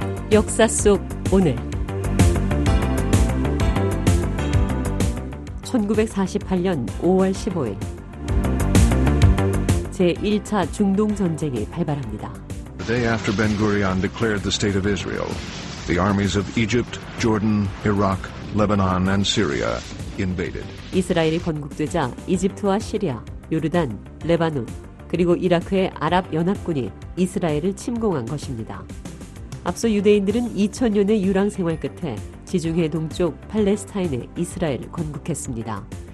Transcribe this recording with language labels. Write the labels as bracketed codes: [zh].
[ko] 역사 속 오늘 1948년 5월 15일 제1차 중동전쟁이 발발합니다. [en] The day after Ben-Gurion declared the state of Israel, the armies of Egypt, Jordan, Iraq, Lebanon, and Syria invaded. [ko] 이스라엘이 건국되자 이집트와 시리아, 요르단, 레바논, 그리고 이라크의 아랍연합군이 이스라엘을 침공한 것입니다. 앞서 유대인들은 2000년의 유랑 생활 끝에 지중해 동쪽 팔레스타인의 이스라엘을 건국했습니다.